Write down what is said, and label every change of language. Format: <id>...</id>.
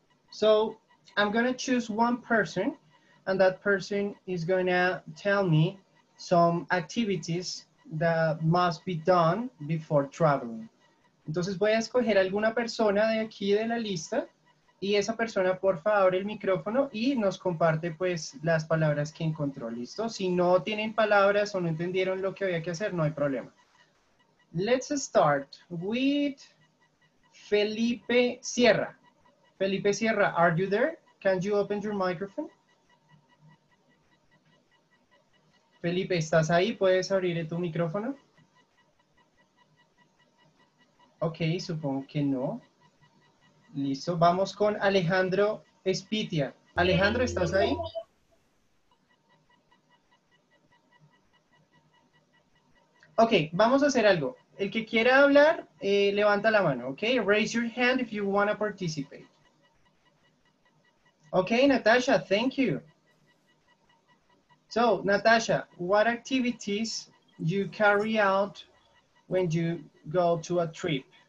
<en>So I'm gonna choose one person, and that person is gonna tell me some activities that must be done before traveling.</en> <es>Entonces voy a escoger alguna persona de aquí de la lista, y esa persona por favor abre el micrófono y nos comparte pues las palabras que encontró, ¿listo? Si no tienen palabras o no entendieron lo que había que hacer, no hay problema.</es> <en>Let's start with Felipe Sierra. Felipe Sierra, are you there? Can you open your microphone?</en> <es>Felipe, ¿estás ahí? ¿Puedes abrir tu micrófono? Ok, supongo que no. Listo, vamos con Alejandro Espitia. Alejandro, ¿estás ahí? Ok, vamos a hacer algo. El que quiera hablar, levanta la mano, ¿ok?</es> <en>Raise your hand if you want to participate. Ok, Natasha, thank you. So, Natasha, what activities you carry out when you go to a trip?</en>